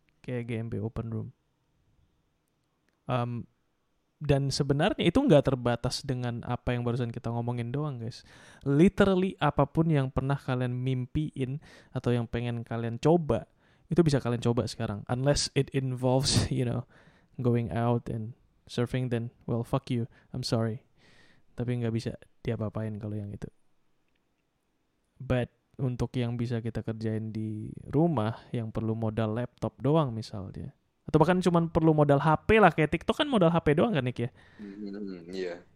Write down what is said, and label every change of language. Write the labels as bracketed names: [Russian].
[Indonesian] Kayak GMB Open Room. Dan sebenarnya itu nggak terbatas dengan apa yang barusan kita ngomongin doang, guys. Literally apapun yang pernah kalian mimpiin atau yang pengen kalian coba, itu bisa kalian coba sekarang. [English] Unless it involves, you know, going out and surfing, then, well, fuck you. I'm sorry. [Indonesian] Tapi nggak bisa diapa-apain kalau yang itu. But untuk yang bisa kita kerjain di rumah, yang perlu modal laptop doang misalnya. Atau bahkan cuma perlu modal HP lah, kayak TikTok kan modal HP doang kan, Nick, ya? [English] Yeah.